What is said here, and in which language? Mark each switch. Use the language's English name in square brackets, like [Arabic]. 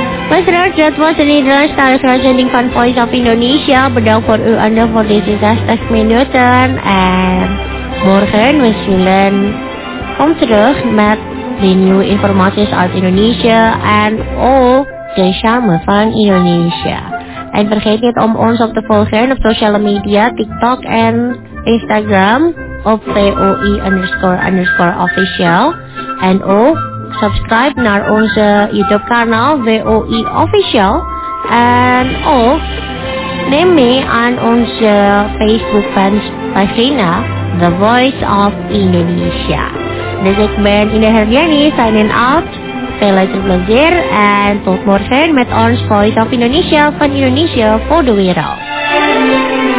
[English] Listeners, that was an interesting presenting from Voice of Indonesia. [Dutch] Bedankt voor uw aandacht voor deze 60 minuten. En morgen we zullen kom terug met de nieuwe informaties uit Indonesia en ook de samen van Indonesia. En vergeet niet om ons op te volgen op sociale media, TikTok en Instagram op VOE_official. En ook subscribe naar onze YouTube kanaal VOE Official. En ook neem mee aan onze Facebook pagina The Voice of Indonesia. [English] This is Ben Indah Herdiani signing out. Stay light and blazer and talk more fun with Orange Voice of Indonesia from Indonesia for the world.